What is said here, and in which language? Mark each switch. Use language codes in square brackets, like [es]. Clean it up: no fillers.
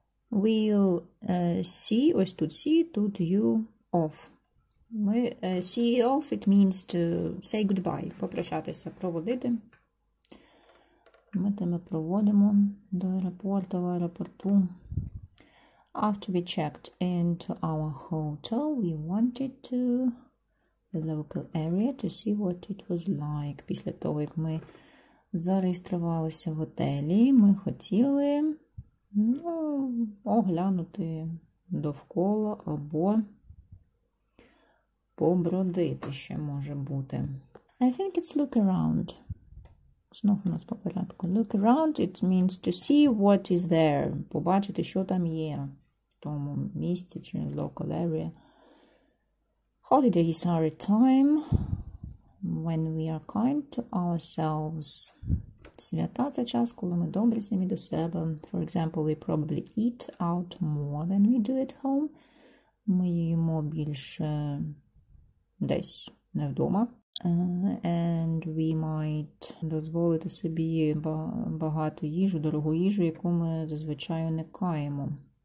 [en] We'll see, ось тут see, тут you off. See off, it means to say goodbye, [uk] попрощатися, проводити. Ми тебе проводимо до аеропорту, в аеропорту. [en] After we checked into our hotel, we wanted to the local area to see what it was like. [uk] Після того, як ми зареєструвалися в готелі, ми хотіли... Ну, оглянути довкола або побродити ще може бути. [en] I think it's look around. [uk] Знов у нас по порядку. [en] Look around, it means to see what is there. [uk] Побачити, що там є в тому місці чи local area. [en] Holidays are a time when we are kind to ourselves. [uk] Свята – це час, коли ми добрі самі до себе. [en] For example, we probably eat out more than we do at home. [uk] Ми їмо більше десь, не вдома. [en] And we might [uk] дозволити собі багато їжу, дорогу їжу, яку ми зазвичай уникаємо.